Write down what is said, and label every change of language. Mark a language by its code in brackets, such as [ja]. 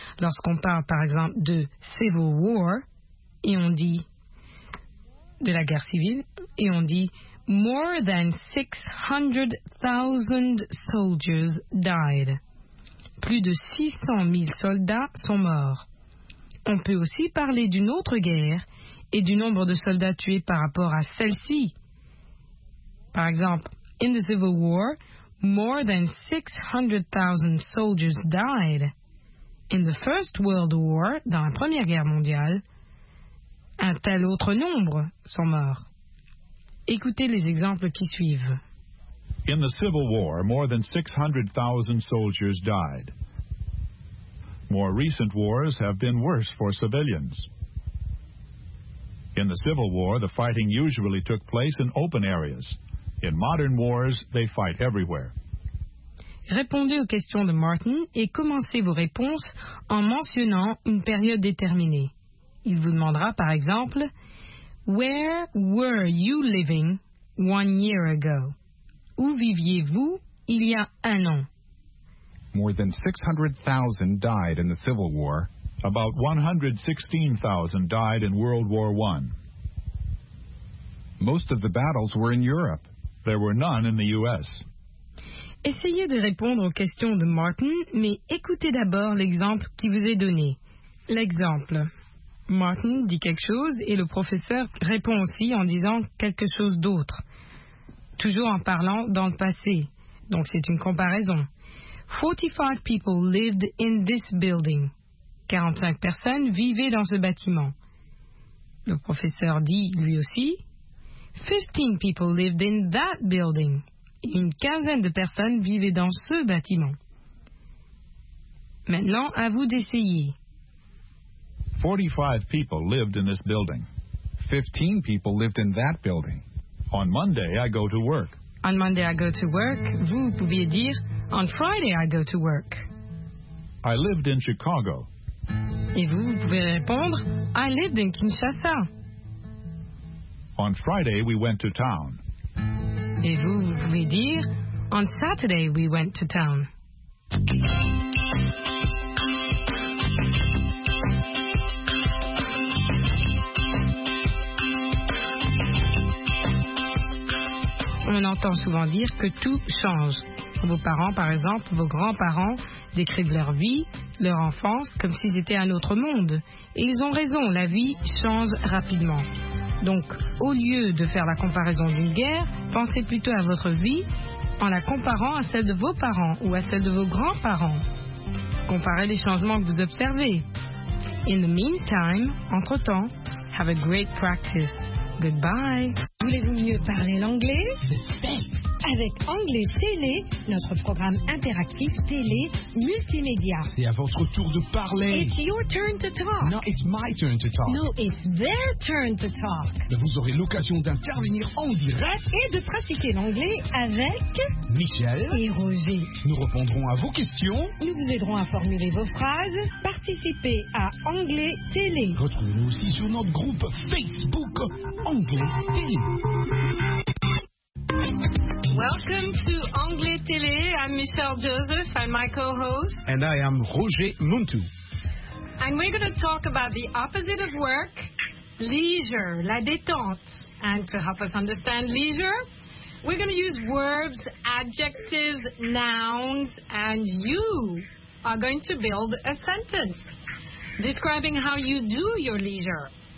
[fr] Lorsqu'on parle, par exemple, de Civil War, et on dit de la guerre civile, et on dit [en] More than 600,000 soldiers died. [fr] Plus de 600 000 soldats sont morts. On peut aussi parler d'une autre guerre et du nombre de soldats tués par rapport à celle-ci. Par exemple, [en] in the Civil War, more than 600,000 soldiers died. In the First World War, [fr] dans la Première Guerre mondiale, un tel autre nombre sont morts. Écoutez les exemples qui suivent. [en] In the Civil War, more than 600,000 soldiers died. More recent wars have been worse for civilians. In the Civil War, the fighting usually took place in open areas. In modern wars, they fight everywhere. [fr] Répondez aux questions de Martin et commencez vos réponses en mentionnant une période déterminée. Il vous demandera, par exemple, [en] Where were you living 1 year ago? [fr] Où viviez-vous il y a un an? [en] More than 600,000 died in the Civil War. About 116,000 died in World War I. Most of the battles were in Europe. There were none in the U.S. [fr] Essayez de répondre aux questions de Martin, mais écoutez d'abord l'exemple qui vous est donné. L'exemple. Martin dit quelque chose et le professeur répond aussi en disant quelque chose d'autre. Toujours en parlant dans le passé. Donc c'est une comparaison. [en] 45 people lived in this building. [fr] 45 personnes vivaient dans ce bâtiment. Le professeur dit lui aussi [en] 15 people lived in that building. [fr] Une quinzaine de personnes vivaient dans ce bâtiment. Maintenant, à vous d'essayer. [en] 45 people lived in this building. 15 people lived in that building. On Monday, I go to work. On Monday, I go to work. [fr] Vous pouviez dire, [en] On Friday, I go to work. I lived in Chicago. [fr] Et vous pouvez répondre, [en] I lived in Kinshasa. On Friday, we went to town. [fr] Et vous pouvez dire, [en] On Saturday, we went to town. [fr] On entend souvent dire que tout change. Vos parents, par exemple, vos grands-parents décrivent leur vie leur enfance comme s'ils étaient un autre monde. Et ils ont raison, la vie change rapidement. Donc, au lieu de faire la comparaison d'une guerre, pensez plutôt à votre vie en la comparant à celle de vos parents ou à celle de vos grands-parents. Comparez les changements que vous observez. [en] In the meantime, [fr] entre-temps, [en] have a great practice. Goodbye. [fr] Voulez-vous mieux parler l'anglais? Avec Anglais Télé, notre programme interactif télé multimédia. C'est à votre tour de parler. [en] It's your turn to talk. No, it's my turn to talk. No, it's their turn to talk. [fr] Vous aurez l'occasion d'intervenir en direct et de pratiquer l'anglais avec Michel et Roger. Nous répondrons à vos questions. Nous vous aiderons à formuler vos phrases. Participez à Anglais Télé. Retrouvez-nous aussi sur notre groupe Facebook Anglais Télé. [en] Welcome to Anglais Télé. I'm Michelle Joseph. I'm my co-host. And I am Roger Muntu. And we're going to talk about the opposite of work, leisure, [fr] la détente. [en] And to help us understand leisure, we're going to use verbs, adjectives, nouns, and you are going to build a sentence describing how you do your leisure.